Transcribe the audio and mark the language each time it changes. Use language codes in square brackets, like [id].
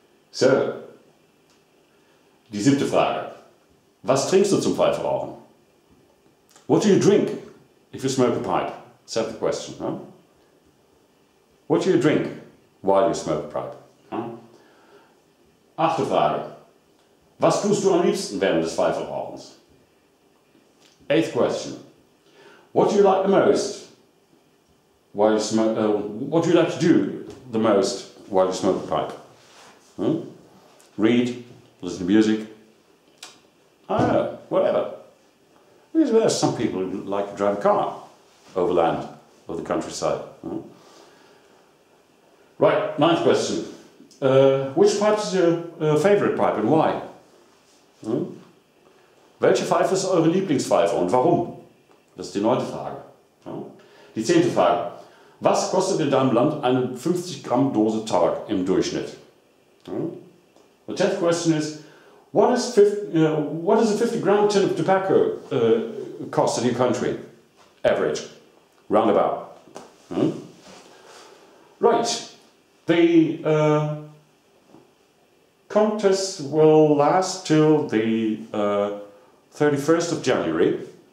[de] So, die siebte Frage. Was trinkst du zum Pfeiferauchen? [en] What do you drink if you smoke a pipe? Seventh question. Huh? What do you drink while you smoke a pipe? [de] Huh? Achte Frage. Was tust du am liebsten während des Pfeiferauchens? [en] Eighth question. What do you like the most? What do you like to do the most while you smoke a pipe? Hmm? Read, listen to music. I don't know, whatever. There are some people who like to drive a car overland or the countryside. Hmm? Right, ninth question. Which pipe is your favorite pipe and why? [de] Hmm? Welche Pfeife ist eure Lieblingspfeife und warum? Das ist die neunte Frage. Hmm? Die zehnte Frage. Was kostet in deinem Land eine 50 Gramm Dose Tabak im Durchschnitt? Hmm? [en] The 10th question is, what is a 50 Gramm tin of tobacco cost in your country? Average. Roundabout. Hmm? Right. The contest will last till the 31st of January.